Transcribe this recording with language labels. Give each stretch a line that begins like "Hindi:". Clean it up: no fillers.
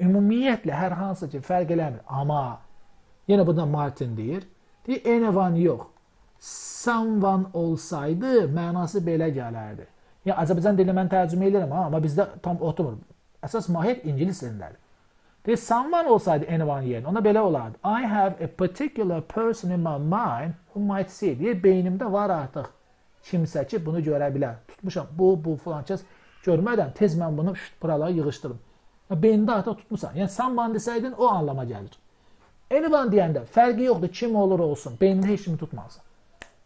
Azerbaijani: Ümumiyyətlə, hər hansı kim fərq eləmir. Amma, yenə burada Martin deyir. Deyir, anyone yox. Someone olsaydı, mənası belə gələrdi. Ya, Azərbaycan dilini mən tərcümə edirəm, amma bizdə tam oturmur. Əsas mahiyyət ingilis dilindədir. Deyir, someone olsaydı anyone yerin, ona belə olardı.
English: I have a particular person in my mind who might see it.
Azerbaijani: Deyir, beynimdə var artıq kimsə ki, bunu görə bilər. Tutmuşam, bu filan kəs görmədən tez mən bunu şşt, buralara yığışdırım. Beynində artıq tutmuşsan. Yəni, someone desəydin, o anlama gəlir. Anyone deyəndə, fərqi yoxdur, kim olur olsun, beynində heç kimi tutmazsan.